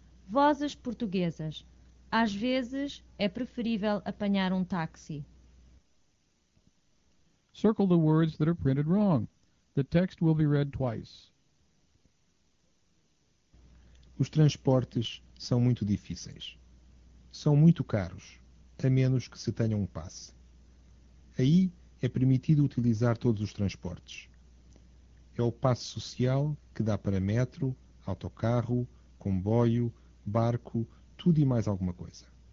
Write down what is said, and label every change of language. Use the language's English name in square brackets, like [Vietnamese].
[Portuguese] Vozes portuguesas. Às vezes é preferível apanhar um táxi. [English] Circle the words that are printed wrong. The text will be read twice. [Portuguese] Os transportes são muito difíceis. São muito caros, a menos que se tenha um passe. Aí é permitido utilizar todos os transportes. É o passe social que dá para metro, autocarro, comboio, barco, tudo e mais alguma coisa.